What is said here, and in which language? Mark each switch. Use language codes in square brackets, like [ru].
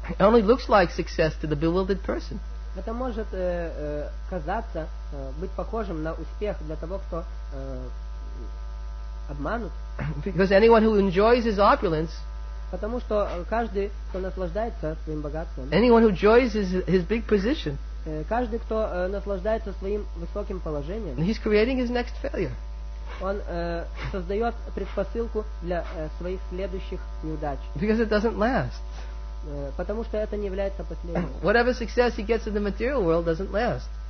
[en] It only looks like success to the bewildered person. [ru] Это может казаться, быть похожим на успех для того, кто обманут. [en] Because anyone who enjoys his opulence, [ru] потому что каждый, кто наслаждается своим богатством, [en] anyone who enjoys his big position, [ru] каждый, кто наслаждается своим высоким положением, [en] he's creating his next failure. [ru] Он создает предпосылку для своих следующих неудач. [en] Because it doesn't last. [ru] Потому что это не является последним. [en] Whatever success he gets in the material world doesn't last.